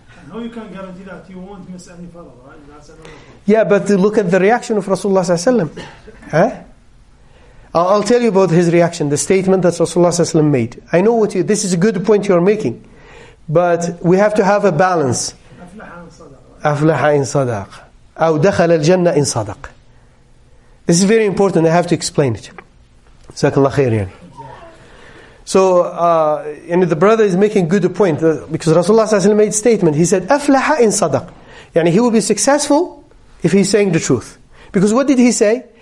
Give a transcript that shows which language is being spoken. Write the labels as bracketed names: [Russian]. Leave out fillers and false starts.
[English] No, you can't guarantee that. You won't miss any follow, right? That's another thing. Yeah, but look at the reaction of Rasulullah sallallahu alaihi wasallam. Huh? I'll tell you about his reaction, the statement that Rasulullah ﷺ made. I know what this is a good point you're making, but we have to have a balance. [Arabic] أفلح إن صدق أو دخل الجنة إن صدق. [English] This is very important. I have to explain it. Jazakallah khair. So, and the brother is making good point, because Rasulullah ﷺ made a statement. He said, [Arabic] "Aflaha in sadaq." Yani [English] he will be successful if he's saying the truth. Because what did he say?